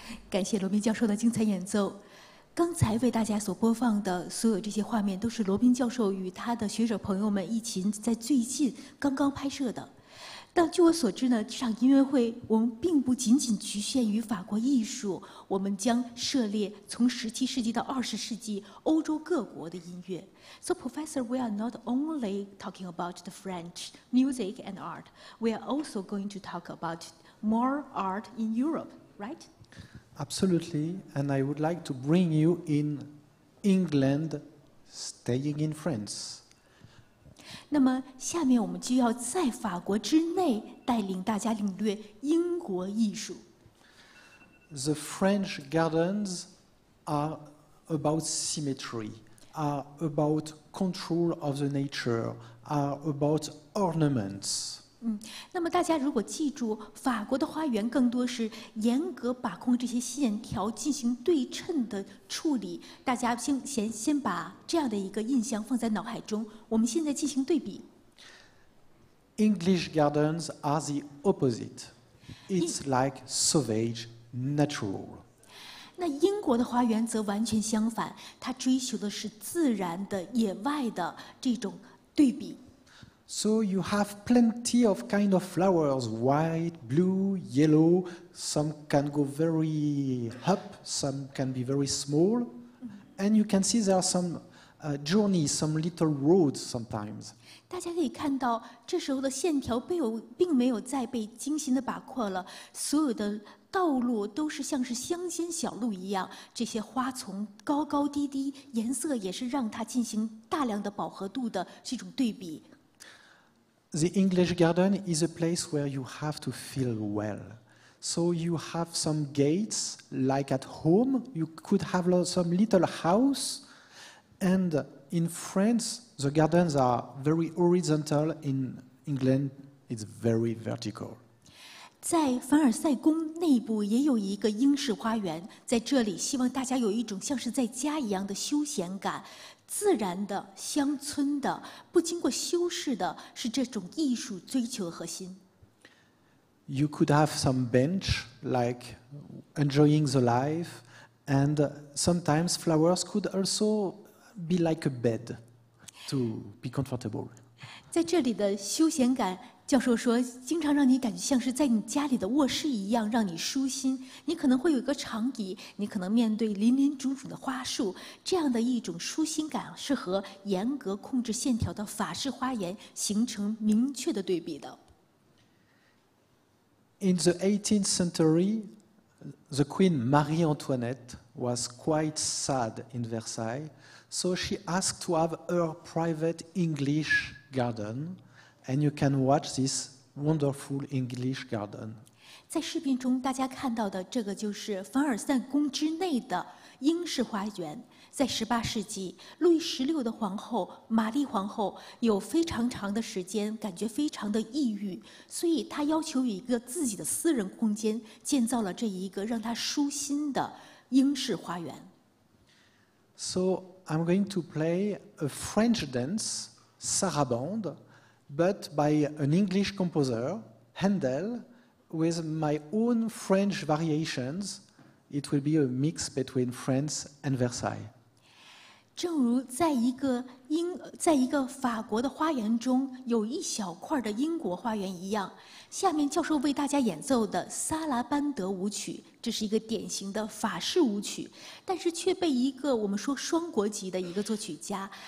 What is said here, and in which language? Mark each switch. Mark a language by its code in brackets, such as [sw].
[zh] 感谢罗宾教授的精彩演奏。刚才为大家所播放的所有这些画面，都是罗宾教授与他的学者朋友们一起在最近刚刚拍摄的。但据我所知呢，这场音乐会我们并不仅仅局限于法国艺术，我们将涉猎从17世纪到20世纪欧洲各国的音乐。 [en] So Professor, we are not only talking about the French music and art. We are also going to talk about more art in Europe, right? Absolutely, and I would like to bring you in England, staying in France. [zh] 那么下面我们就要在法国之内带领大家领略英国艺术。 [en] The French gardens are about symmetry, are about control of the nature, are about ornaments. [zh] 那么大家如果记住，法国的花园更多是严格把控这些线条进行对称的处理。大家先把这样的一个印象放在脑海中。我们现在进行对比。 [en] English gardens are the opposite. It's like savage natural. [zh] 那英国的花园则完全相反，它追求的是自然的、野外的这种对比。 [en] So you have plenty of kind of flowers, white, blue, yellow. Some can go very up, some can be very small. And you can see there are some journeys, some little roads sometimes. [zh] 大家可以看到，这时候的线条并没有再被精心的把握了。所有的道路都是像是乡间小路一样，这些花丛高高低低，颜色也是让它进行大量的饱和度的这种对比。 [en] The English garden is a place where you have to feel well. So you have some gates, like at home, you could have some little house. And in France, the gardens are very horizontal. In England, it's very vertical. [zh] 在凡尔赛宫内部也有一个英式花园，在这里希望大家有一种像是在家一样的休闲感。自然的、乡村的、不经过修饰的，是这种艺术追求的核心。 [en] You could have some bench, like enjoying the life, and sometimes flowers could also be like a bed to be comfortable. [zh] 在这里的休闲感，教授说，经常让你感觉像是在你家里的卧室一样，让你舒心。你可能会有一个长椅，你可能面对林林种种的花束，这样的一种舒心感是和严格控制线条的法式花园形成明确的对比的。 [en] In the 18th century, the Queen Marie Antoinette was quite sad in Versailles, so she asked to have her private English garden. And you can watch this wonderful English garden. [zh] 在视频中，大家看到的这个就是凡尔赛宫之内的英式花园。在18世纪，路易16的皇后玛丽皇后有非常长的时间，感觉非常的抑郁，所以她要求有一个自己的私人空间，建造了这一个让她舒心的英式花园。 [en] So I'm going to play a French dance, Sarabande. But by an English composer, Handel, with my own French variations, it will be a mix between France and Versailles. [zh] 正如在一个法国的花园中有一小块的英国花园一样，下面教授为大家演奏的《萨拉班德舞曲》，这是一个典型的法式舞曲，但是却被一个我们说双国籍的一个作曲家。